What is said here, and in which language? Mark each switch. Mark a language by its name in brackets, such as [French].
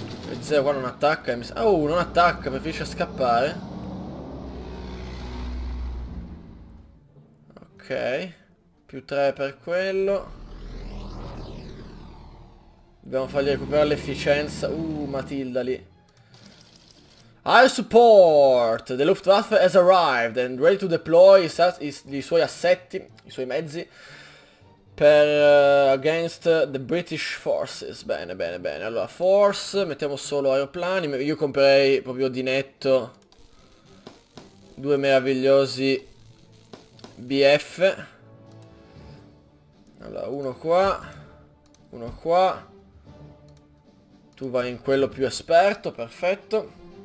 [Italian] E zero qua non attacca, mi sa... Oh, non attacca, preferisce scappare. Ok. Più 3 per quello. Dobbiamo fargli recuperare l'efficienza. Matilda lì. [English] Air support! The Luftwaffe has arrived and ready to deploy [Italian] i suoi assetti, i suoi mezzi, per [English] against the British forces. [Italian] Bene, bene, bene. Allora, force, mettiamo solo aeroplani. Io comprerei proprio di netto due meravigliosi BF. Allora, uno qua. Uno qua. Tu vai in quello più esperto, perfetto.